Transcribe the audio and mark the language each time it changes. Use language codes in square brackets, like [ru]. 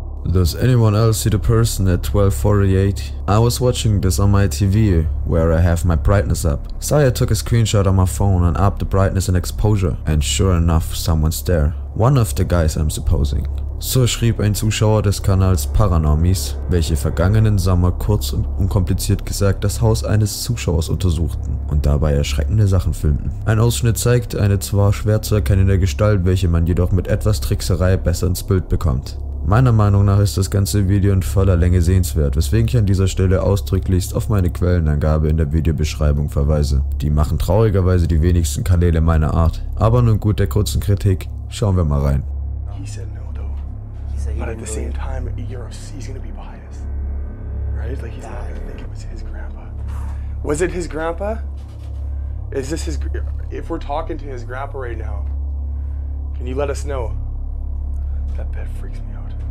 [en] Does anyone else see the person at 12:48? I was watching this on my TV, where I have my brightness up. Saya took a screenshot on my phone and upped the brightness and exposure, and sure enough, someone's there. One of the guys, I'm supposing. [de] So schrieb ein Zuschauer des Kanals Paranormies, welche vergangenen Sommer kurz und unkompliziert gesagt das Haus eines Zuschauers untersuchten und dabei erschreckende Sachen filmten. Ein Ausschnitt zeigt eine zwar schwer zu erkennende Gestalt, welche man jedoch mit etwas Trickserei besser ins Bild bekommt. Meiner Meinung nach ist das ganze Video in voller Länge sehenswert, weswegen ich an dieser Stelle ausdrücklichst auf meine Quellenangabe in der Videobeschreibung verweise. Die machen traurigerweise die wenigsten Kanäle meiner Art. Aber nun gut der kurzen Kritik, schauen wir mal rein. [en] He said no though. He said but at the same time, he's gonna be biased. Right? Like he's not gonna think it was his grandpa. Was it his grandpa? Is this his if we're talking to his grandpa right now, can you let us know? That bed freaks me out.